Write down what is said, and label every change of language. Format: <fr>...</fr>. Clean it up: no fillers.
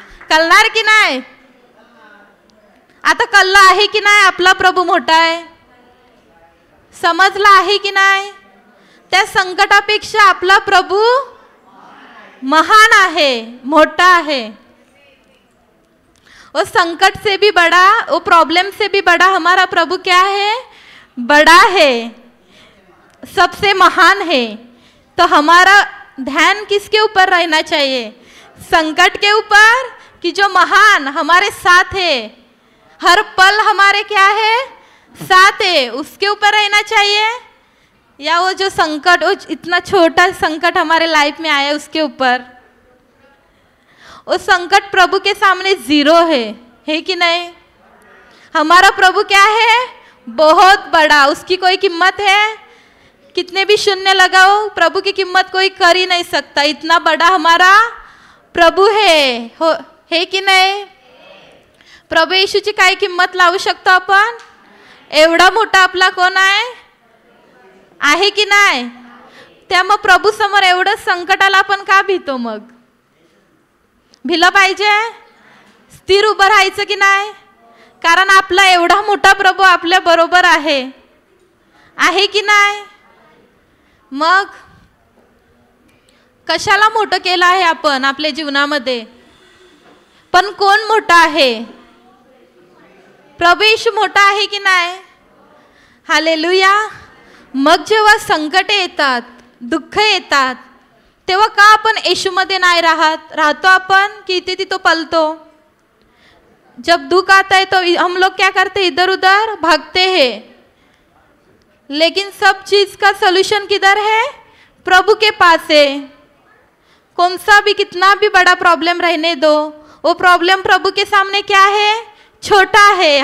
<mr>कळणार की नाही? आता कळलं आहे की नाही आपला प्रभू मोठा आहे? समजला आहे की नाही? त्या संकटापेक्षा आपला प्रभू महान आहे, मोठा आहे।</mr> <hi>वो संकट से भी बड़ा, वो प्रॉब्लम से भी बड़ा हमारा प्रभु क्या है? बड़ा है, सबसे महान है। तो हमारा ध्यान किसके ऊपर रहना चाहिए? संकट के ऊपर, कि जो महान हमारे साथ है, हर पल हमारे क्या है? साथ है, उसके ऊपर रहना चाहिए? या वो जो संकट, वो इतना छोटा संकट हमारे लाइफ में आया उसके ऊपर, वो संकट प्रभु के सामने जीरो है कि नहीं? हमारा प्रभु क्या है? बहुत बड़ा। उसकी कोई कीमत है? कितने भी शून्य लगाओ प्रभु की कीमत कोई कर ही नहीं सकता, इतना बड़ा हमारा प्रभु है, हो है कि नहीं?</hi> <mr>प्रभु यीशु की काय कीमत लावू शकतो आपण? एवढा मोठा आपला कोण आहे, आहे कि नाही? त्या मग प्रभू समोर एवढं संकटाला आपण का भीतो? मग भिलं पाहिजे, स्थिर उभं राहायचं की नाही? कारण आपला एवढा मोठा प्रभू आपल्या बरोबर आहे, आहे की नाही? मग कशाला मोठं केलं आहे आपण आपल्या जीवनामध्ये? पण कोण मोठा आहे? प्रभू येशू मोठा आहे की नाही? हालेलुया। मग जेव्हा संकट येतात, दुःख येतात, तेव्हा का आपण येशूमध्ये नाही राहतो आपण की इथे तिथं पलतो?</mr> <hi>जब दुःख आता है तो हम लोग क्या करते, इधर उधर भागते है। लेकिन सब चीज का सोल्यूशन किधर है? प्रभु के पास है। कौन सा भी कितना भी बड़ा प्रॉब्लम रहने दो, वो प्रॉब्लम प्रभु के सामने क्या है? छोटा है।</hi>